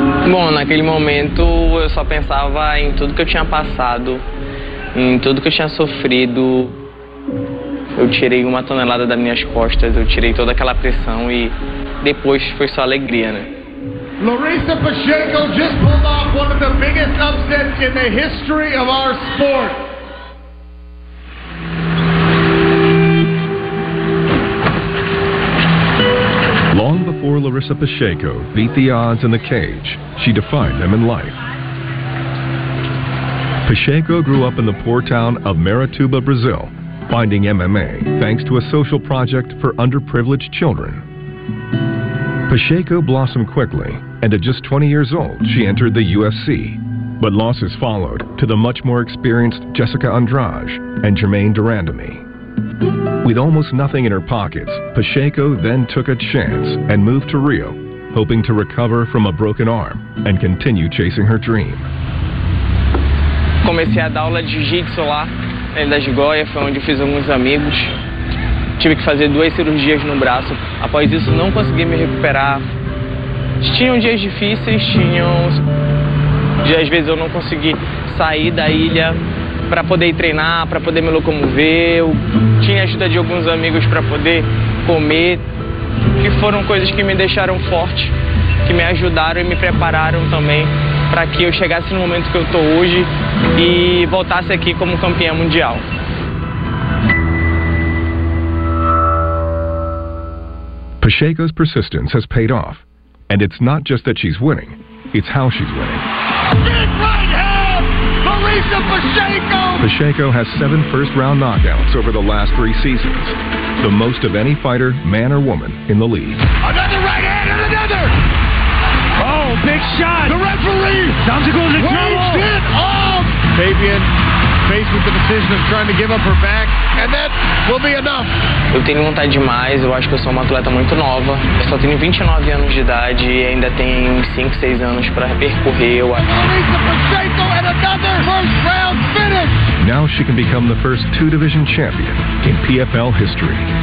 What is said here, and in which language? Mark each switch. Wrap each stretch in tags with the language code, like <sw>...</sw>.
<pt>Bom, naquele momento eu só pensava em tudo que eu tinha passado, em tudo que eu tinha sofrido. Eu tirei uma tonelada das minhas costas, eu tirei toda aquela pressão e depois foi só alegria, né?</pt> <en>Larissa Pacheco just pulled off one of the biggest upsets in the history of our sport. Long before Larissa Pacheco beat the odds in the cage, she defied them in life. Pacheco grew up in the poor town of Marituba, Brazil, finding MMA thanks to a social project for underprivileged children. Pacheco blossomed quickly, and at just 20 years old, she entered the UFC. But losses followed to the much more experienced Jessica Andrade and Jermaine Durandamy. With almost nothing in her pockets, Pacheco then took a chance and moved to Rio, hoping to recover from a broken arm and continue chasing her dream.</en> <pt>Comecei a dar aula de jiu-jitsu lá, ainda de Goiânia, foi onde eu fiz alguns amigos. Tive que fazer duas cirurgias no braço. Após isso, não consegui me recuperar. Tinham dias difíceis, tinham... E às vezes eu não consegui sair da ilha. para poder ir treinar, para poder me locomover. Eu tinha ajuda de alguns amigos para poder comer, que foram coisas que me deixaram forte, que me ajudaram e me prepararam também para que eu chegasse no momento que eu estou hoje e voltasse aqui como campeão mundial.</pt> <en>Pacheco's persistence has paid off, and it's not just that she's winning, it's how she's winning. Pacheco has 7 first-round knockouts over the last 3 seasons, the most of any fighter, man or woman, in the league. Another right hand and another! Oh, big shot! The referee! Sounds like going to trouble! Waves it off! Fabian faced with the decision of trying to give up her back, and that will be enough.</en> <pt>Eu tenho vontade demais, eu acho que eu sou uma atleta muito nova. Eu só tenho 29 anos de idade e ainda tenho 5, 6 anos para percorrer. Eu acho.</pt> <en>Now she can become the first 2-division champion in PFL history.</en>